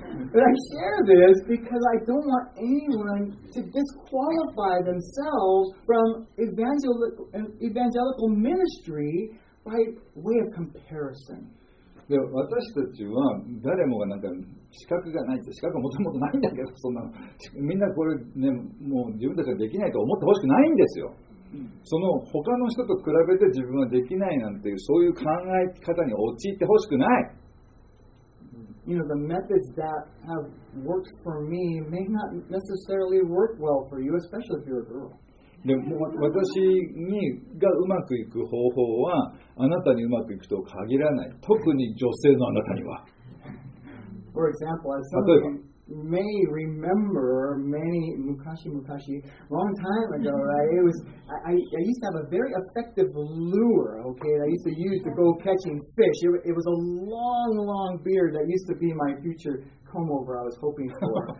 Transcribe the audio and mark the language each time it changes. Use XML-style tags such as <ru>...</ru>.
<en>But I share this because I don't want anyone to disqualify themselves from evangelical ministry by way of comparison.</en> <ja>で私たちは誰もがなんか資格がないって、資格はもともとないんだけど、そんなのみんなこれね、もう自分たちができないと思ってほしくないんですよ。その他の人と比べて自分はできないなんていう、そういう考え方に陥ってほしくない。</ja> <en>You know, the methods that have worked for me may not necessarily work well for you, especially if you're a girl.</en> <ja>でも私にがうまくいく方法はあなたにうまくいくと限らない、特に女性のあなたには。</ja> <en>For example, as some of you may remember many 昔 long time ago, right? It was, I used to have a very effective lure, okay, that I used to use to go catching fish. It was a long, long beard that used to be my future home over I was hoping for.</en>